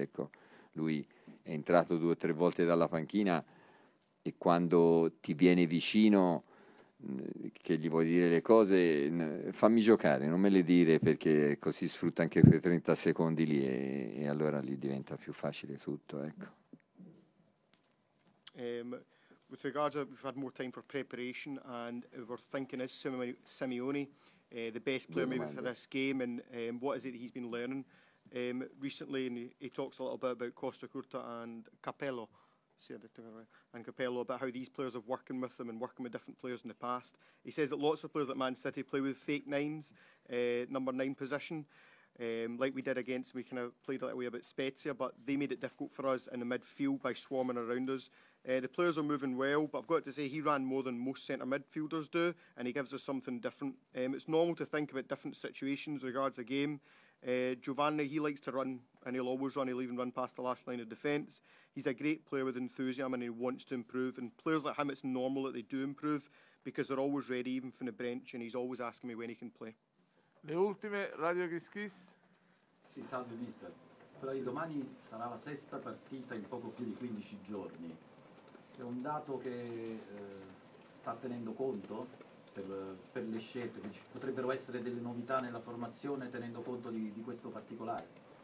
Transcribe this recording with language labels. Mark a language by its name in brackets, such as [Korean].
[Italian] Ecco, lui è entrato due o tre volte dalla panchina, e quando ti viene vicino che gli vuoi dire le cose, fammi giocare, non me le dire, perché così sfrutta anche quei 30 secondi lì e allora lì diventa più facile tutto, ecco. [English] With regards to, we've had more time for preparation and we're thinking, is Simeone the best player maybe for this game, and what is it he's been learning recently, and he talks a little bit about Costa Curta and Capello. and Capello about how these players have working with them and working with different players in the past. He says that lots of players at Man City play with fake nines, number nine position, like we did against, we kind of played that way about Spezia, but they made it difficult for us in the midfield by swarming around us. The players are moving well, but I've got to say he ran more than most centre midfielders do, and he gives us something different. It's normal to think about different situations regards a game. Giovanni, he likes to run, and he'll always run. He'll even run past the last line of defence. He's a great player with enthusiasm, and he wants to improve. And players like him, it's normal that they do improve, because they're always ready, even from the bench, and he's always asking me when he can play. [Italian] Le ultime, Radio Chris Chris. Sì, salve mister. Quella di domani sarà la sesta partita in poco più di 15 giorni. È un dato che sta tenendo conto per le scelte? Ci potrebbero essere delle novità nella formazione tenendo conto di questo particolare?